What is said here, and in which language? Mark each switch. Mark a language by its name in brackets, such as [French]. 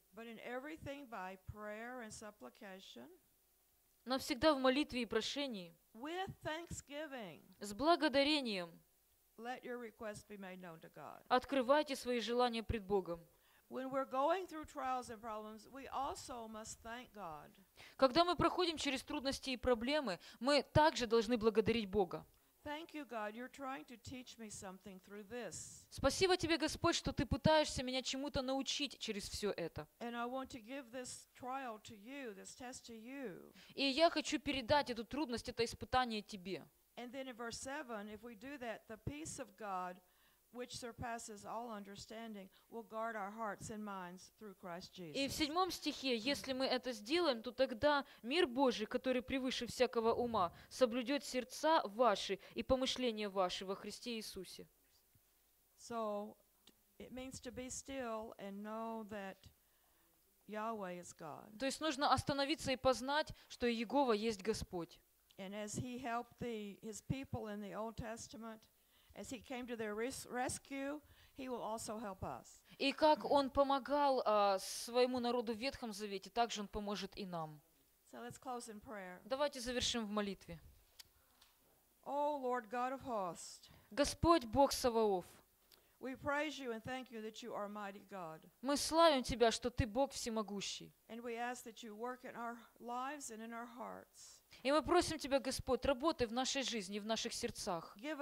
[English] But in everything by prayer and supplication. [Russian] Но всегда в молитве и прошении. [English] With thanksgiving. [Russian] С благодарением. [English] Let your request be made known to God. [Russian] Открывайте свои желания пред Богом. [English] When we're going through trials and problems, we also must thank God. [Russian] Когда мы проходим через трудности и проблемы, мы также должны благодарить Бога. [English] Thank you, God, you're trying to teach me something through this. [Russian] Спасибо тебе, Господь, что ты пытаешься меня чему-то научить через все это. [English] And I want to give this trial to you, this test to you. [Russian] И я хочу передать эту трудность, это испытание тебе. [English] And then in verse 7, if we do that, the peace of God, which surpasses all understanding, will guard our hearts and minds through Christ Jesus. [Russian] И в седьмом стихе, если мы это сделаем, то тогда мир Божий, который превыше всякого ума, соблюдет сердца ваши и помышления ваши во Христе Иисусе. [English] So, it means to be still and know that Yahweh is God. [Russian] То есть нужно остановиться и познать, что Иегова есть Господь. [English] And as he helped his people in the Old Testament, as he came to their rescue, he will also help us. [Russian] И как он помогал своему народу в Ветхом Завете, так же он поможет и нам. [English] So let's close in prayer. [Russian] Давайте завершим в молитве. [English] О, Lord God of hosts. [Russian] Господь Бог Саваоф. [English] We praise you and thank you that you are mighty God. [Russian] Мы славим тебя, что ты Бог всемогущий. [English] And we ask that you work in our lives and in our hearts. [Russian] И мы просим Тебя, Господь, работай в нашей жизни, в наших сердцах.